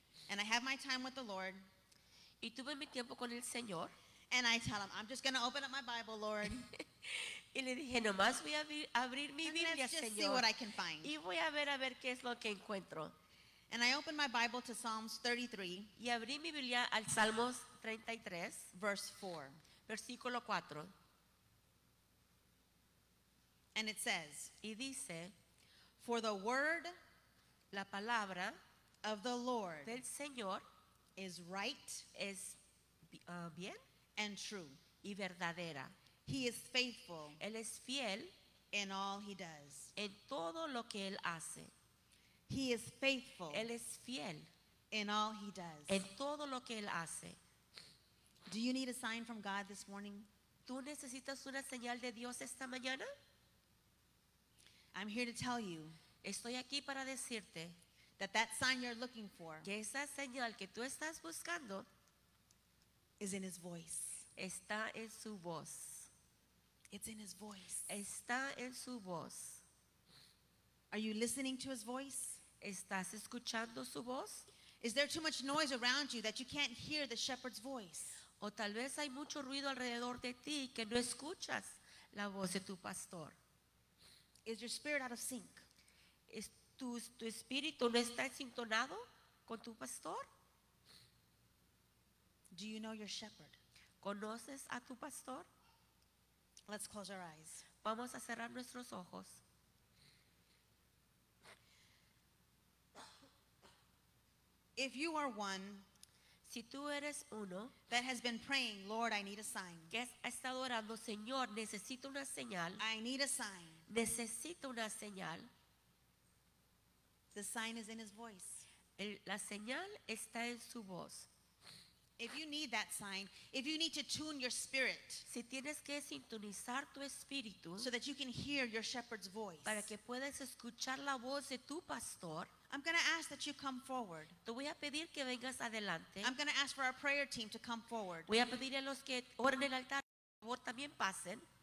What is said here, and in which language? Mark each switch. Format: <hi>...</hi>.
<en>and I had my time with the Lord.</en> <es>Y tuve mi tiempo con el Señor.</es> <en>And I tell him, I'm just going to open up my Bible, Lord.</en> <es>Y le dije, nomás voy a abrir mi Biblia, Señor.</es> <en>Let's just see what I can find.</en> <es>Y voy a ver qué es lo que encuentro.</es> <en>And I opened my Bible to Psalms 33.</en> <es>Y abrí mi Biblia al Salmos 33.</es> <en>Verse 4.</en> <es>Versículo 4.</es> <en>And it says,</en> <es>y dice,</es> <en>for the word,</en> <es>la palabra,</es> <en>of the Lord,</en> <es>del Señor,</es> <en>is right,</en> <es>es bien,</es> <en>and true,</en> <es>y verdadera.</es> <en>He is faithful.</en> <es>Él es fiel</es> <en>in all he does.</en> <es>En todo lo que él hace.</es> <en>He is faithful.</en> <es>Él es fiel</es> <en>in all he does.</en> <es>En todo lo que él hace.</es> <en>Do you need a sign from God this morning?</en> <es>¿Tú necesitas una señal de Dios esta mañana?</es> <en>I'm here to tell you.</en> <es>Estoy aquí para decirte</es> <en>that sign you're looking for,</en> <es>que esa señal que tú estás buscando,</es> <en>is in his voice.</en> <es>Está en su voz.</es> <en>It's in his voice.</en> <es>Está en su voz.</es> <en>Are you listening to his voice?</en> <es>¿Estás escuchando su voz?</es> <en>Is there too much noise around you that you can't hear the shepherd's voice?</en> <es>O tal vez hay mucho ruido alrededor de ti que no escuchas la voz de tu pastor.</es> <en>Is your spirit out of sync?</en> <es>¿Es tu espíritu no está sintonizado con tu pastor?</es> <en>Do you know your shepherd?</en> <es>¿Conoces a tu pastor?</es> <en>Let's close our eyes.</en> <es>Vamos a cerrar nuestros ojos.</es> <en>If you are one,</en> <es>si tú eres uno,</es> <en>that has been praying, Lord, I need a sign.</en> <es>Que ha estado orando, Señor, necesito una señal.</es> <en>I need a sign.</en> <es>Necesito una señal.</es> <en>The sign is in his voice.</en> <es>La señal está en su voz.</es> <en>If you need that sign, if you need to tune your spirit,</en> <es>si tienes que sintonizar tu espíritu,</es> <en>so that you can hear your shepherd's voice,</en> <es>para que puedas escuchar la voz de tu pastor,</es> <en>I'm going to ask that you come forward.</en> <es>Te voy a pedir que vengas adelante.</es> <en>I'm going to ask for our prayer team to come forward.</en> <es>Voy a pedir a los que oren en el altar, por favor, también pasen.</es>